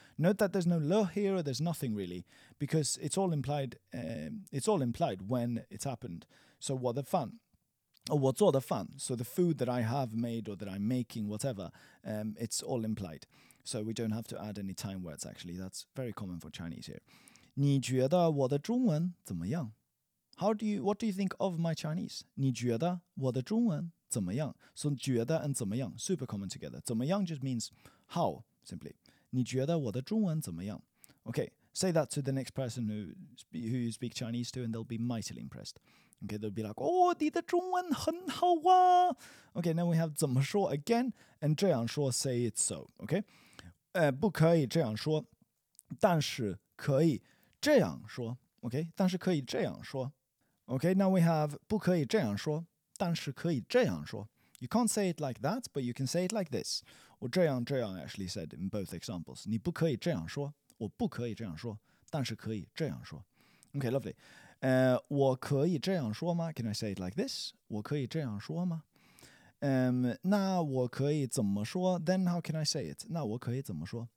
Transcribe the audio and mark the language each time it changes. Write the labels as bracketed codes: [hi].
[en] Note that there's no 了 here, or there's nothing really, because it's all implied, when it's happened. [zh] So 我的饭. 我做的饭, [en] so the food that I have made or that I'm making, whatever, it's all implied. So we don't have to add any time words, actually. That's very common for Chinese here. [zh] 你觉得我的中文怎么样? [en] What do you think of my Chinese? [zh] 你觉得我的中文怎么样? [en] So 觉得 and 怎么样, super common together. 怎么样 just means how, simply. [zh] 你觉得我的中文怎么样? [en] Okay, say that to the next person who you speak Chinese to and they'll be mightily impressed. Okay, they'll be like, oh, [zh] 你的中文很好啊! [en] Okay, then we have 怎么说 again, and 这样说 say it so, okay? [zh] 不可以这样说,但是可以这样说。 Okay, 但是可以这样说。Okay, [en] now we have [zh] 不可以这样说,但是可以这样说。 [en] You can't say it like that, but you can say it like this. [zh] 我这样这样 [en] actually said in both examples. [zh] 你不可以这样说,我不可以这样说,但是可以这样说。 [en] Okay, lovely. [zh] 我可以这样说吗? [en] Can I say it like this? [zh] 我可以这样说吗? 那我可以怎么说? [en] Then how can I say it? [zh] 那我可以怎么说?